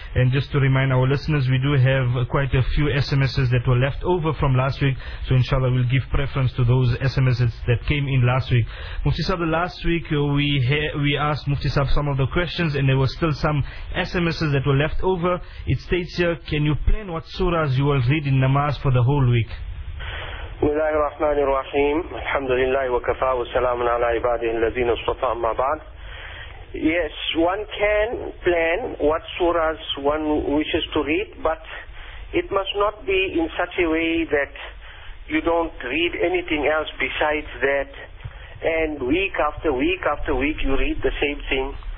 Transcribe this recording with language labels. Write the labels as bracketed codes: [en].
[en] And just to remind our listeners, we do have quite a few SMSs that were left over from last week. So inshallah, we'll give preference to those SMSs that came in last week. Mufti Sahib, last week we asked Mufti Sahib some of the questions, and there were still some SMSs that were left over. It states here, can you plan what surahs you will read in namaz for the whole week? [ar] بسم الله الرحمن الرحيم الحمد لله وكفى وسلام على عباده الذين اصطفى أما بعد. [en] Yes, one can plan what surahs one wishes to read, but it must not be in such a way that you don't read anything else besides that, and week after week after week you read the same thing.